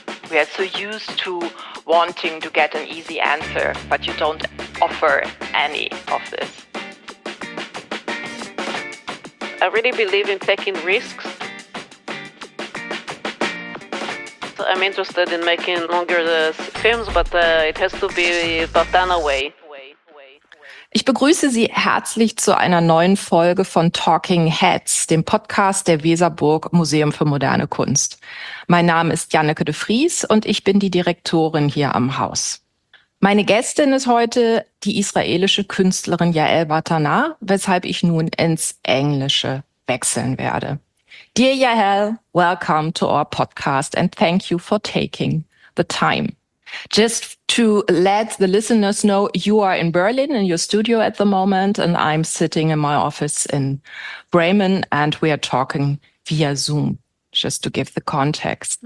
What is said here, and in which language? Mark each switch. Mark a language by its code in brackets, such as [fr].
[en] We are so used to wanting to get an easy answer, but you don't offer any of this. I really believe in taking risks. So I'm interested in making longer films, but it has to be done away. [de] Ich begrüße Sie herzlich zu einer neuen Folge von Talking Heads, dem Podcast der Weserburg Museum für Moderne Kunst. Mein Name ist Janneke de Vries und ich bin die Direktorin hier am Haus. Meine Gästin ist heute die israelische Künstlerin Yael Watanah, weshalb ich nun ins Englische wechseln werde. [en] Dear Yael, welcome to our podcast and thank you for taking the time. Just to let the listeners know, you are in Berlin in your studio at the moment, and I'm sitting in my office in Bremen, and we are talking via Zoom, just to give the context.